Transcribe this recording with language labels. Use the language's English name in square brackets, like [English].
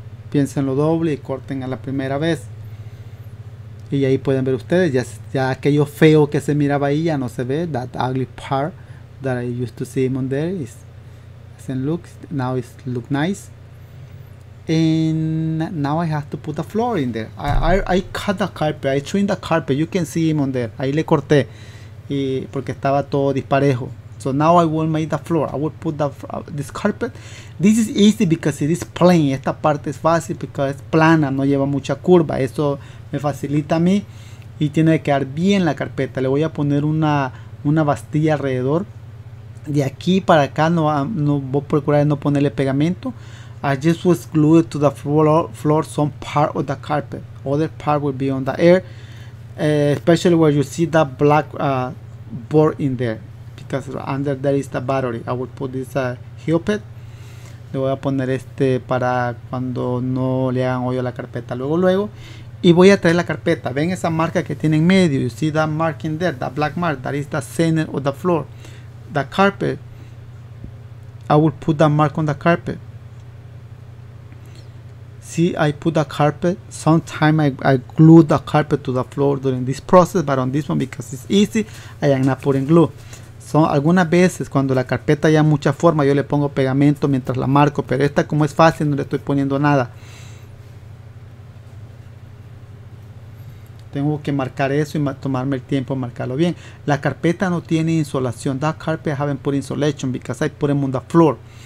[Spanish] Piénsenlo doble y corten a la primera vez. Y ahí pueden ver ustedes. Ya aquello feo que se miraba ahí ya no se ve. [English] That ugly part that I used to see him on there is doesn't look. Now it look nice. And now I have to put the floor in there. I cut the carpet. I trimmed the carpet. You can see him on there. [Spanish] Ahí le corté. Y porque estaba todo disparejo. [English] So now I will make the floor. I will put this carpet. This is easy because it is plain. [Spanish] Esta parte es fácil [English] because [Spanish] es plana. No lleva mucha curva. Eso me facilita a mí. Y tiene que quedar bien la carpeta. Le voy a poner una bastilla alrededor. De aquí para acá no voy a procurar no ponerle pegamento. [English] I just was glued to the floor some part of the carpet. Other part will be on the air. Especially where you see that black board in there. Because under there is the battery. I will put this helmet. [Spanish] Le voy a poner para cuando no le hagan hoyo a la carpeta. Luego. Y voy a traer la carpeta. Ven esa marca que tiene en medio. [English] You see that mark in there. That black mark. That is the center of the floor. The carpet. I will put that mark on the carpet. See, I put the carpet. Sometimes I glue the carpet to the floor during this process. But on this one, because it's easy, I am not putting glue. [Spanish] Son algunas veces cuando la carpeta ya mucha forma yo le pongo pegamento mientras la marco, pero esta como es fácil no le estoy poniendo nada. Tengo que marcar eso y tomarme el tiempo de marcarlo bien. La carpeta no tiene insulación. [English] That carpet haven't put insulation because I put them on the floor.